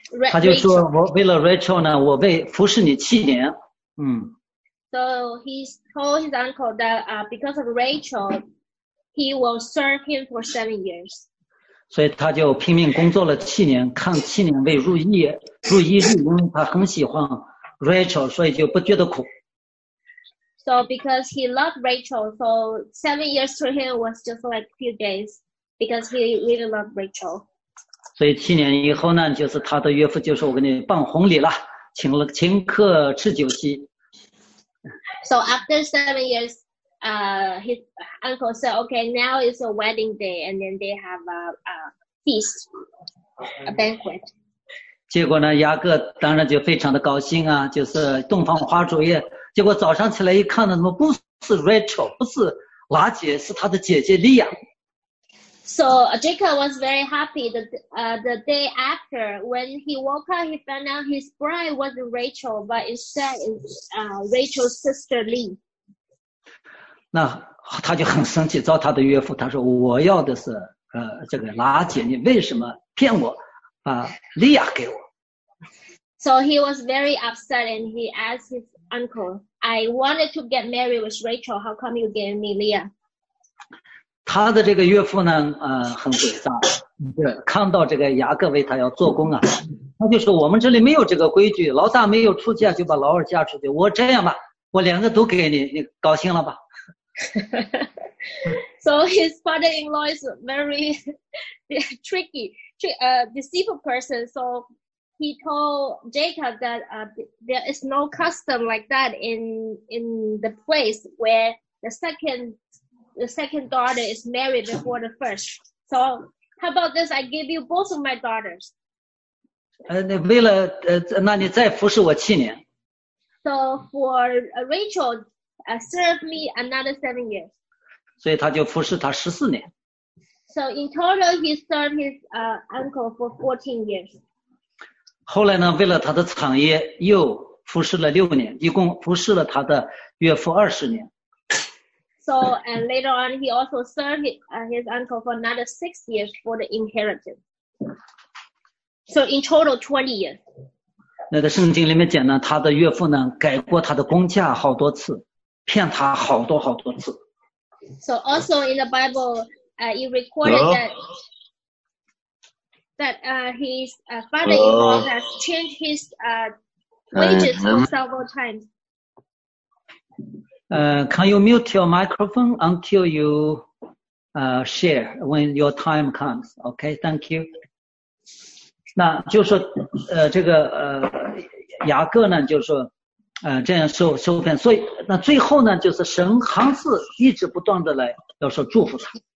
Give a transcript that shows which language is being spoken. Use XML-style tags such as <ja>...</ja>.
<zh>他就说，我为了 Rachel 呢，我被服侍你七年。</zh> <en>So he told his uncle that because of Rachel, he will serve him for 7 years.</en> <zh>所以他就拼命工作了七年，看七年未入役，入役日，因为他很喜欢 Rachel, 所以就不觉得苦。</zh> <en>So because he loved Rachel, so 7 years to him was just like a few days, because he really loved Rachel.</en> <zh>所以七年以后呢，就是他的岳父就说，我给你办红礼了，请客吃酒席。</zh> <en>So after 7 years, his uncle said, okay, now it's a wedding day, and then they have a feast, a banquet.</en> <zh>结果呢，雅各当然就非常的高兴啊，就是洞房花烛夜。结果早上起来一看呢，怎么不是 Rachel, 不是拉结，是他的姐姐莉亚。</zh> <en>So Jacob was very happy the day after. When he woke up, he found out his bride wasn't Rachel, but instead it's Rachel's sister Lee.</en> <zh>那他就很生气，找他的岳父，他说我要的是这个拉结，你为什么骗我，把莉亚给我。</zh> <en>So he was very upset and he asked his uncle, I wanted to get married with Rachel, how come you gave me Leah?</en> <zh>他的这个岳父呢，很诡诈，看到这个雅各为他要做工啊，他就说我们这里没有这个规矩，老大没有出嫁就把老二嫁出去，我这样吧，我两个都给你，你高兴了吧。</zh> <en>So his father-in-law is very tricky, deceitful person. So he told Jacob that there is no custom like that in the place where the second daughter is married before the first. So how about this? I give you both of my daughters.</en> <zh>为了那你再服侍我七年。</zh> <en>So for Rachel, serve me another 7 years.</en> <zh>所以他就服侍他14年。</zh> <en>So in total, he served his uncle for 14 years.</en> <zh>后来呢，为了他的产业又服侍了6年，一共服侍了他的岳父20年。</zh> <en>So and later on, he also served his uncle for another 6 years for the inheritance. So in total, 20 years.</en> <zh>那个圣经里面讲呢，他的岳父呢改过他的工价好多次，骗他好多好多次。</zh> <en>So also in the Bible, it recorded that his father-in-law has changed his wages for several times. Can you mute your microphone until you share when your time comes? Okay, thank you.</en> <zh>那就说这个雅各呢就说这样受骗，所以那最后呢就是神行事一直不断的来要说祝福他。</zh>